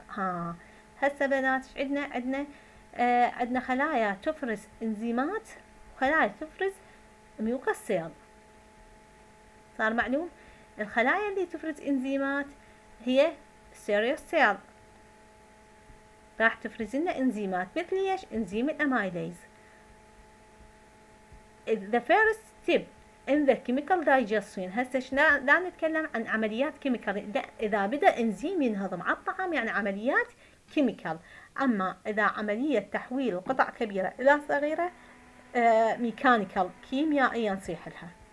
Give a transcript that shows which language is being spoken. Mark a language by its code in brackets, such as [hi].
[ar] ها هسه بنات ايش عندنا؟ عندنا عندنا خلايا تفرز انزيمات وخلايا تفرز ميوكس سيل. صار معلوم؟ الخلايا اللي تفرز انزيمات هي سيريوس سيل، راح تفرز لنا انزيمات مثل ايش؟ انزيم الاميليز. [en] The first step in the chemical digestion. [ar] هسه شنا دا نتكلم عن عمليات كيميكال، اذا بدا انزيم ينهضم على الطعام يعني عمليات كيميكال، اما اذا عمليه تحويل قطع كبيره الى صغيره ميكانيكال كيميائيا نصيح لها.